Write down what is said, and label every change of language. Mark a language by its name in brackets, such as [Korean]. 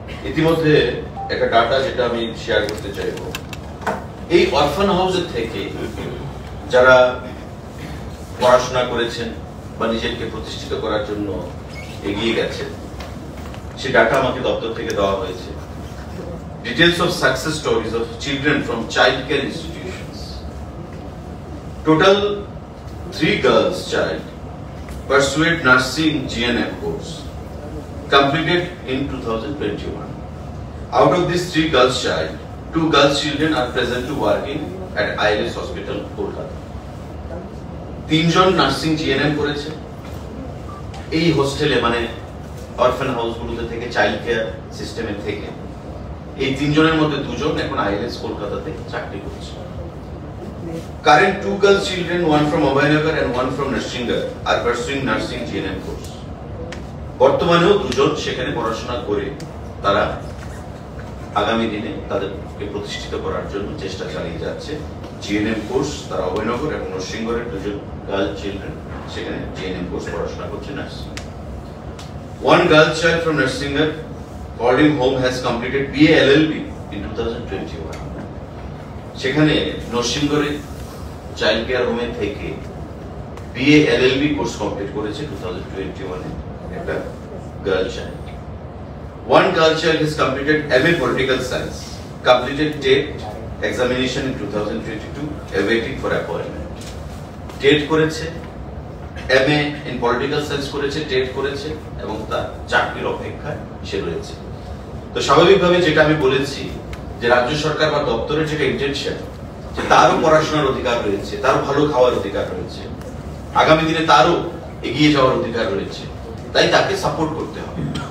[Bangla] ইতিমধ্যে একটা ডাটা যেটা আমি শেয়ার করতে চাইব, এই অরফান হাউসের থেকে যারা পড়াশোনা করেছেন বা নিজেকে প্রতিষ্ঠিত করার জন্য এগিয়ে গেছেন সে ডাটা আমাকে দপ্তর থেকে দেওয়া হয়েছে। [English] Details of success stories of children from child care institutions, total 3 girls child pursued nursing GNM course completed in 2021। Out of these 3 girls child, 2 girls children are presently working at ILS Hospital, Kolkata. [Bangla] 3 John nursing GNM করেছে এই হোস্টেলে, মানে অরফান হাউসগুলোতে থেকে, child care সিস্টেমে থেকে। এই 3 জনের মধ্যে 2 জন এখন ILS কলকাতাতে চাকরি করছে। [English] Current 2 girls children, one from Abhinagar and one from Narsingar, are pursuing nursing GNM course. [Bangla] বর্তমানেও 2 জন সেখানে পড়াশোনা করে তারা আগামী দিনে তাদেরকে প্রতিষ্ঠিত করার জন্য চেষ্টা চালিয়ে যাচ্ছে। জিএনএম কোর্স তারা অভিনগর এবং নরসিংহরের [English] 2 girls children [Bangla] সেখানে জিএনএম কোর্স পড়াশোনা করছে nursing. [English] 1 girls child from Narsinghar boarding home has completed BA LLB in 2021। [Bangla] সেখানে নরসিংহরের চাইল্ড কেয়ার হোমে থেকে বিএ এলএলবি কোর্স কমপ্লিট করেছে 2021 একটা girl child. [English] 1 girl child has completed MA political science, completed TET examination in 2022, awaiting for appointment. [Bangla] TET করেছে, MA in political science করেছে, TET করেছে এবং তার চাকরির অপেক্ষায় সে রয়েছে। তো স্বাভাবিকভাবে যেটা আমি বলেছি যে রাজ্য সরকার বা দপ্তরের যেটা ইন্টেনশন যে তারও পড়াশোনার অধিকার রয়েছে, তার ভালো খাওয়ার অধিকার রয়েছে, আগামী দিনে তারও এগিয়ে যাওয়ার অধিকার রয়েছে, তাই তাকে সাপোর্ট করতে হবে।